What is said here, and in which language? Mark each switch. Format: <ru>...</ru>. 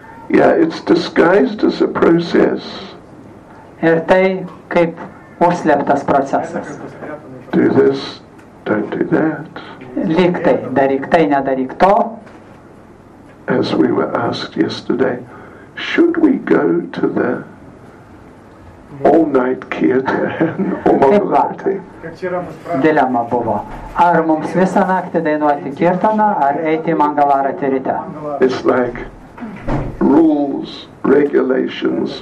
<en>Yeah, it's disguised as a process.</en> <lt>Ir tai kaip užslėptas procesas.</lt> <en>Do this, don't do that.</en> <lt>Lyg tai, daryk tai, nedaryk to.</lt> <en>As we were asked yesterday, should we go to the all-night kirtan or mangalarti?</en> <lt>Dilema buvo. Ar mums visą naktį dainuoti kirtaną, ar eiti į mangalarati ryte?</lt> <en>It's like rules, regulations,</en>